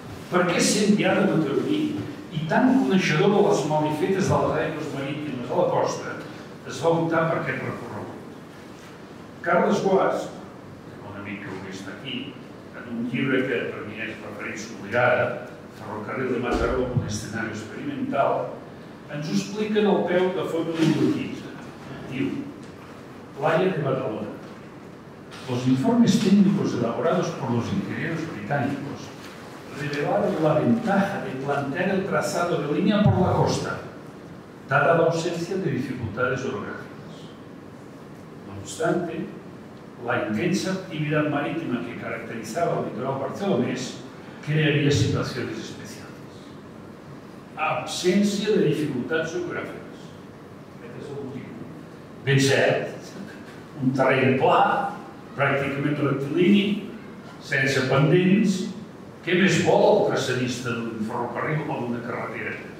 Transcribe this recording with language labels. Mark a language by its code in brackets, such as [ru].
[ca] Per què ser enviada de Taurí i tan coneixedor de les malifetes de les aigües marítimes a la costa es va optar per aquest recorregut? Carles Guas, un amic que avui està aquí, en un llibre que per mi és referència obligada, Ferrocarril de Mataró, un escenari experimental, ens ho explica en el peu de Font de l'Urquiza. Diu, Playa de Badalona. [es] Los informes técnicos elaborados por los ingenieros británicos revelaron la ventaja de plantear el trazado de línea por la costa, dada la ausencia de dificultades orográficas. No obstante, la intensa actividad marítima que caracterizaba el litoral barcelonés crearía situaciones especiales. [ca] Absència de dificultats geogràfiques. Aquest és el motiu. Ben cert, un terreny pla, pràcticament rectilini, sense pendents. Què més vol el traçadista d'un ferrocarril o d'una carretera?